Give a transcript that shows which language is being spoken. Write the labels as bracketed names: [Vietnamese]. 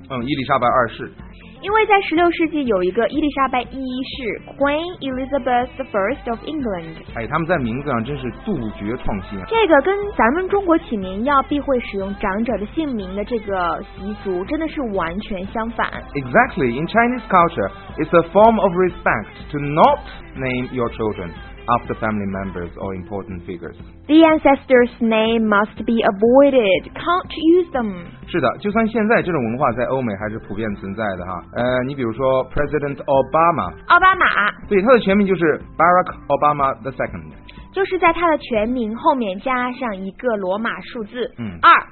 [Chinese] 嗯，伊丽莎白二世。因为在16世纪有一个伊丽莎白一世 [English] Queen Elizabeth the First of England。 [Chinese] 哎，他们在名字上真是杜绝创新，这个跟咱们中国起名要避讳使用长者的姓名的这个习俗真的是完全相反。 [English] Exactly, in Chinese culture it's a form of respect to not name your children after family members or important figures. The ancestor's name must be avoided. Can't use them. [Chinese] 是的，就算现在这种文化在欧美还是普遍存在的哈。你比如说 President Obama，奥巴马，对，他的全名就是 Barack Obama the Second，就是在他的全名后面加上一个罗马数字，二。